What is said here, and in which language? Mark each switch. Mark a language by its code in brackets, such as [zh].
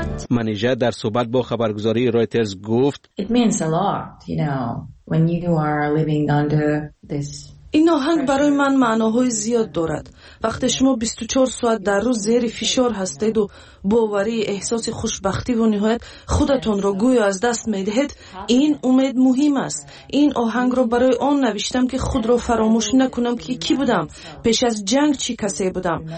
[fa] منیژه در صحبت با خبرگزاری رویترز گفت [en] It means a lot, you know, when you are living under this. [fa] این آهنگ برای من معناهای زیاد دارد. وقتی شما 24 ساعت در روز زیر فشار هستید و باوری احساس خوشبختی و نهایت خودتون را گویا از دست می دهید، این امید مهم است. این آهنگ را برای آن نوشتم که خود را فراموش نکنم که کی بودم، پیش از جنگ چی کسی بودم.